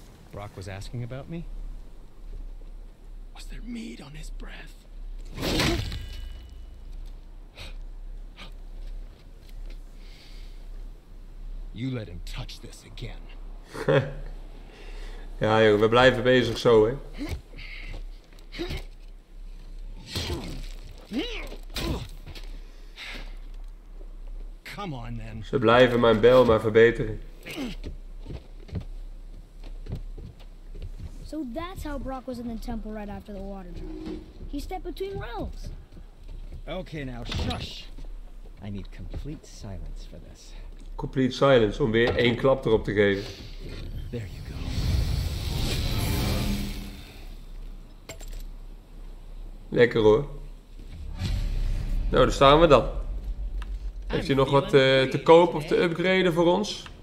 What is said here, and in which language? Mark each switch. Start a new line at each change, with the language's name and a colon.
English: Brock was asking about me? Was there meat on his breath? You let him touch this again.
Dutch: Ja, joh, we blijven bezig zo, hè.
English: Come on, then.
Dutch: Ze blijven mijn bel maar verbeteren.
English: So that's how Brock was in the temple right after the water drop. He stepped between realms. Okay, now shush. I need complete silence for this. Complete silence
Dutch: om weer één klap erop te geven.
English: There you go.
Dutch: Lekker hoor. Nou, daar staan we dan. Heeft hij nog wat te kopen of te upgraden voor ons?